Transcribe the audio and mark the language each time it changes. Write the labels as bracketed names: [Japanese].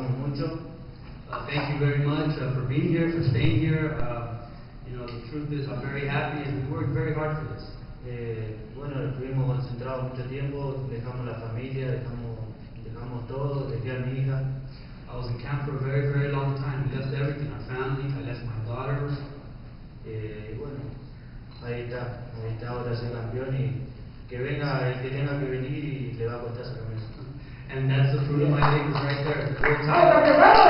[English] Thank you very much for being here, for staying here. You know, the truth is, I'm very happy, and we worked very hard for this. [Spanish] Bueno, estuvimos concentrados mucho tiempo, dejamos la familia, dejamos todo, dejé a mi hija. [English] I was in camp for a very, very long time. We left everything, our family, I left my daughter. [Spanish] Bueno, ahí está ahora ser campeón, y que venga el que tenga que venir y le va a costar su camino. [English] And that's the fruit of my labor right there.